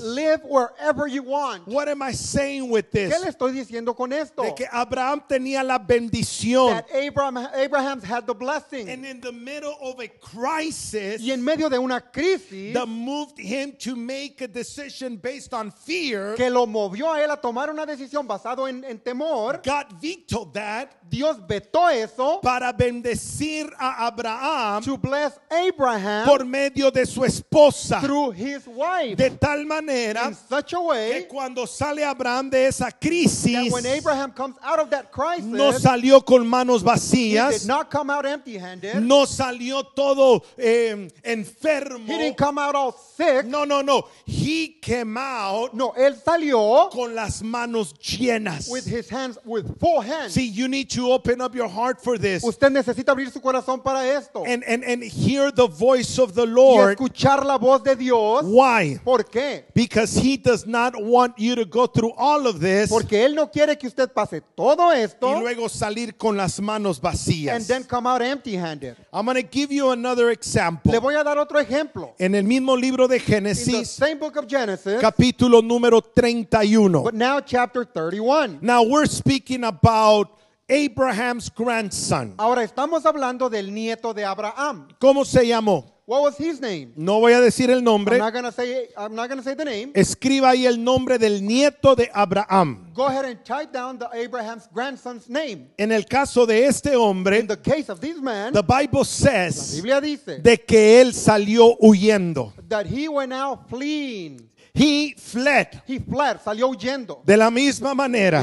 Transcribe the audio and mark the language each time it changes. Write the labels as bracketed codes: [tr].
[en] Live wherever you want. What am I saying with this? [es] ¿Qué le estoy diciendo con esto? De que Abraham tenía la bendición. [en] That Abraham had the blessing. And in the middle of a crisis, [es] y en medio de una crisis, [en] that moved him to make a decision based on fear. [es] Que lo movió a él a tomar una decisión basado en temor. [en] God vetoed that. [es] Dios vetó eso. Para bendecir a Abraham. [en] To bless Abraham. [es] Por medio de su esposa. [en] Through his wife. [es] De tal manera. [en] In such a way. [es] Que cuando sale Abraham de esa crisis. [en] That when Abraham comes out of that crisis. [es] No salió con manos vacías. [en] He did not come out empty-handed. [es] No salió todo enfermo. [en] He didn't come out all sick. No. He came out. [es] No, él salió con las manos llenas. [en] With his hands, with full hands. See, you need to open up your heart for this. [es] Usted necesita abrir su corazón para esto. [en] And hear the voice of the Lord. [es] Y escuchar la voz de Dios. [en] Why? [es] ¿Por qué? [en] Because he does not want you to go through all of this. [es] Porque él no quiere que usted pase todo esto. Y luego salir con las manos vacías. [en] And then come out empty-handed. I'm going to give you another example. [es] Le voy a dar otro ejemplo. En el mismo libro de Génesis, [en] in the same book of Genesis, [es] capítulo número 31. [en] But now chapter 31. Now we're speaking about Abraham's grandson. [es] Ahora estamos hablando del nieto de Abraham. ¿Cómo se llamó? [en] What was his name? [es] No voy a decir el nombre. [en] I'm not gonna say the name. [es] Escriba ahí el nombre del nieto de Abraham. [en] Go ahead and type down the Abraham's grandson's name. [es] En el caso de este hombre, [en] in the case of this man, the Bible says, [es] la Biblia dice, de que él salió huyendo. [en] That he went out fleeing. He fled. He fled, [es] salió huyendo. De la misma manera.